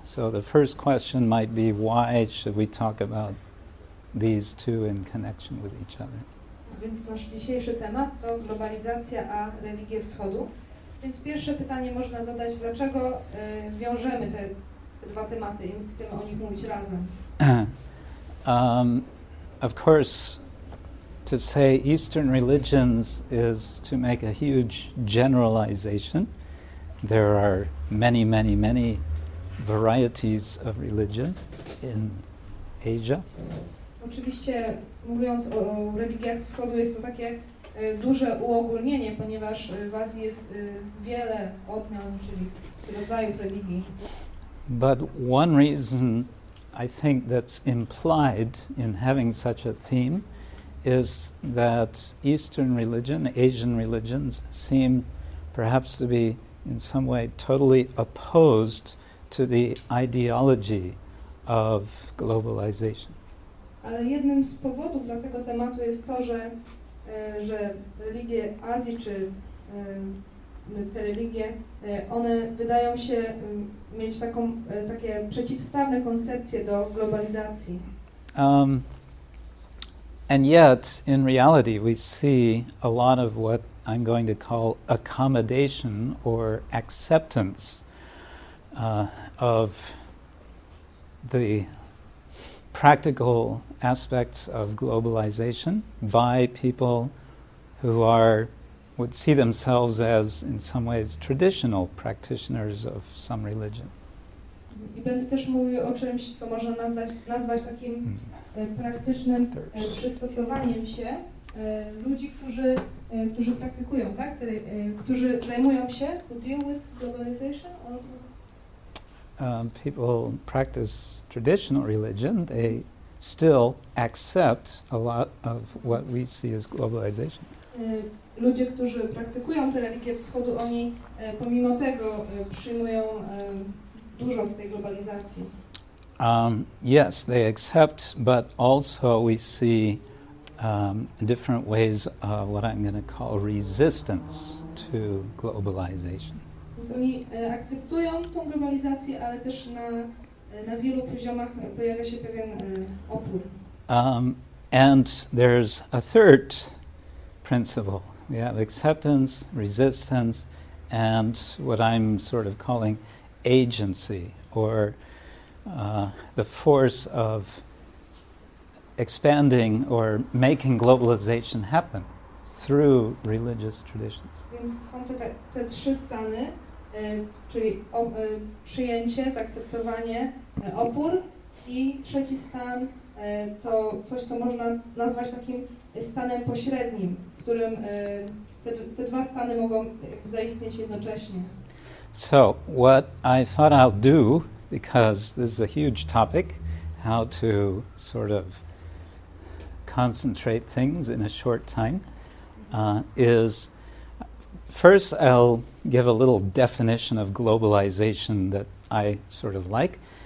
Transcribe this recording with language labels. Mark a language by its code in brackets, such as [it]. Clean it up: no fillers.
[en] So the first question might be, why should we talk about these two in connection with each other? [pl] Więc nasz dzisiejszy temat to globalizacja a religie wschodu. Więc pierwsze pytanie można zadać, dlaczego wiążemy te dwa tematy i chcemy o nich mówić razem. [en] Of course, to say Eastern religions is to make a huge generalization. There are many, many, many varieties of religion in Asia. [pl] Oczywiście, mówiąc o religiach wschodu, jest to takie duże uogólnienie, ponieważ w Azji jest wiele odmian, czyli rodzajów religii. [en] But one reason I think that's implied in having such a theme is that Eastern religion, Asian religions, seem perhaps to be in some way totally opposed to the ideology of globalization. [pl] Ale jednym z powodów dla tego tematu jest to, że religie Azji czy te religie, one wydają się mieć takie przeciwstawne koncepcje do globalizacji. [en] And yet, in reality, we see a lot of what I'm going to call accommodation or acceptance of the practical aspects of globalization by people who are would see themselves as, in some ways, traditional practitioners of some religion. [pl] I będę też mówił o czymś, co można nazwać takim praktycznym przystosowaniem się ludzi, którzy praktykują, tak? Którzy zajmują się, [en] who deal with globalization? People practice traditional religion, they still accept a lot of what we see as globalization. [pl] Ludzie, którzy praktykują te religie wschodu, oni pomimo tego przyjmują dużo z tej globalizacji. [en] Yes, they accept, but also we see different ways of what I'm going to call resistance to globalization. [pl] Więc oni akceptują tą globalizację, ale też na wielu poziomach pojawia się pewien opór. [en] And there's a third principle. We have acceptance, resistance, and what I'm sort of calling agency, or the force of expanding or making globalization happen through religious traditions. [pl] Więc są te trzy stany, czyli przyjęcie, zaakceptowanie, opór, i trzeci stan to coś, co można nazwać takim stanem pośrednim, w którym te dwa stany mogą zaistnieć jednocześnie. [en] So, what I thought I'll do, because this is a huge topic, how to sort of concentrate things in a short time, is first I'll give a little definition of globalization that I sort of like.